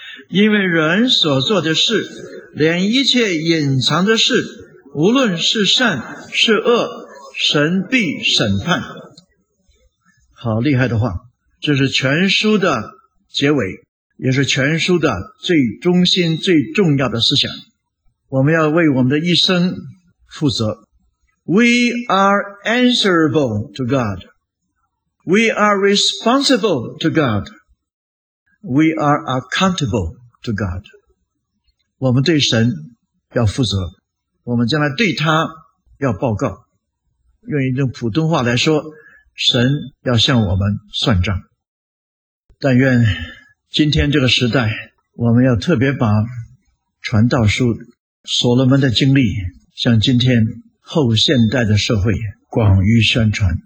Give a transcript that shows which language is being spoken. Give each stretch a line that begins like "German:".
Chinese: 因为人所做的事，连一切隐藏的事，无论是善是恶，神必审判。好厉害的话，这是全书的结尾，也是全书的最中心最重要的思想。我们要为我们的一生负责。
English: We are answerable to God. We are responsible to God. We are accountable to God.
Chinese: 我们对神要负责，我们将来对他要报告。用一种普通话来说，神要向我们算账。但愿今天这个时代，我们要特别把传道书所罗门的经历向今天后现代的社会广于宣传。